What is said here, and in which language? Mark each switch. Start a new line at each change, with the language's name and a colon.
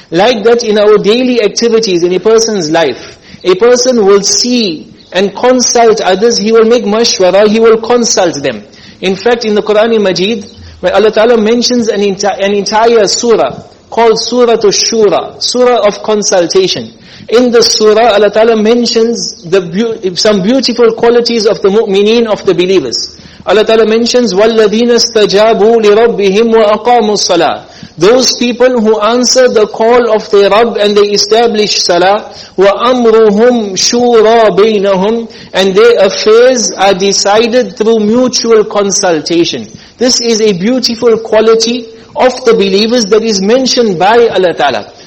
English: Like that, in our daily activities, in a person's life, a person will see and consult others, he will make mashwara, he will consult them. In fact, in the Quran Majeed, where Allah Ta'ala mentions an entire surah called Surah Ash-Shura, Surah of Consultation. In the surah, Allah Ta'ala mentions some beautiful qualities of the mu'mineen, of the believers. Allah Ta'ala mentions,
Arabic: وَالَّذِينَ اسْتَجَابُوا لِرَبِّهِمْ وَأَقَامُوا الصَّلَاةِ.
English: Those people who answer the call of their Rabb and they establish salah,
Arabic: وَأَمْرُهُمْ شُورَى بَيْنَهُمْ.
English: And their affairs are decided through mutual consultation. This is a beautiful quality of the believers that is mentioned by Allah Ta'ala.